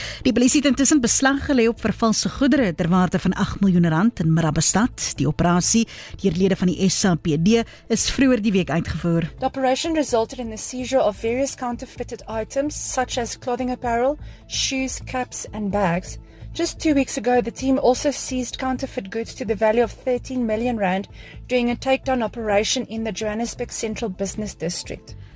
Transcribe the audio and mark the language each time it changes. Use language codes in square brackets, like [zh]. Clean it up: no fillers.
[af] Die polisie het intussen beslag gelê op vervalse goedere ter waarde van 8 miljoen rand in Marabastad. Die operasie deur lede van die SAPD is vroeër die week uitgevoer. [en] The operation resulted in the seizure of various counterfeited items such as clothing apparel, shoes, caps and bags. Just 2 weeks ago, the team also seized counterfeit goods to the value of 13 million rand during a takedown operation in the Johannesburg Central Business District.